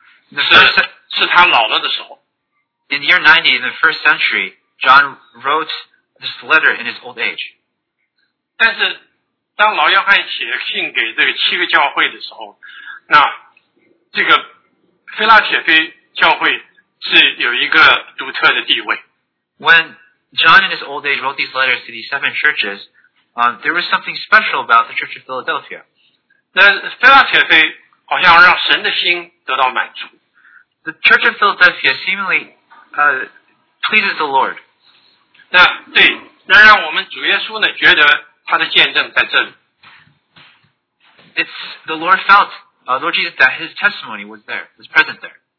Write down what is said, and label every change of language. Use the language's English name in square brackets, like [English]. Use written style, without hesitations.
[English] It's easier said than done. In the year 90, in the first century, John wrote this letter in his old age. [Chinese] 但是当老约翰写信给这个七个教会的时候，那这个菲拉铁菲教会是有一个独特的地位。 [English] When John in his old age wrote these letters to these seven churches, there was something special about the Church of Philadelphia. [Chinese] 那菲拉铁菲好像让神的心得到满足。The [English] Church of Philadelphia seemingly pleases the Lord. [Chinese] 那对，那让我们主耶稣呢觉得他的见证在这里。It's [English] the Lord felt, Lord Jesus, that his testimony was there, was present there.